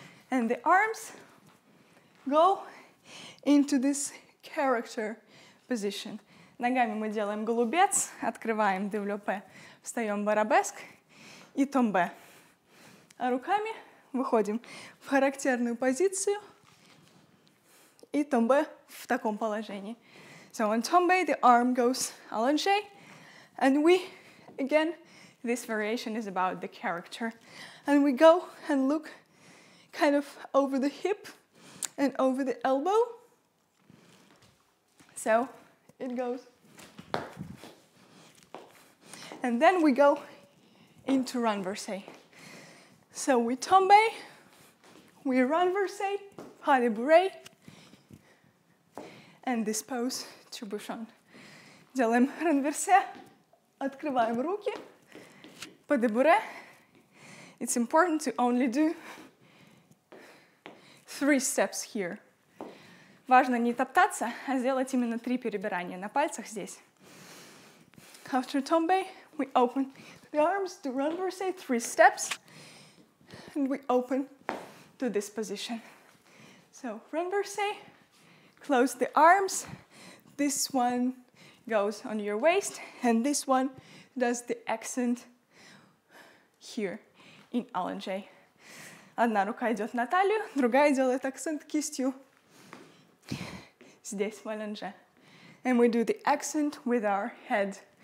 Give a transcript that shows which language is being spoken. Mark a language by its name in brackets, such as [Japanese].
[English] And the arms go into this character position. [Russian] Ногами мы делаем голубец, открываем девлопе, встаем в арабеск и томбе. А руками выходим в характерную позицию и томбе в таком положении. [English] So on томбе the arm goes allongé, and we, again, this variation is about the character. And we go and look kind of over the hip and over the elbow. So it goes. And then we go into renversé. So we tombe, we renversé, pas de bourré, and this pose, trebuchon. [Russian] Делаем renversé, открываем руки, pas de bourré. [English] It's important to only do three steps here. [Russian] Важно не топтаться, а сделать именно три перебирания на пальцах здесь. [English] After tombe, we open the arms, do renversé, three steps, and we open to this position. So renversé, close the arms, this one goes on your waist, and this one does the accent here in allongé. [Russian] Одна рука идет на талию, другая делает акцент кистью здесь, в allongé. [English] And we do the accent with our head.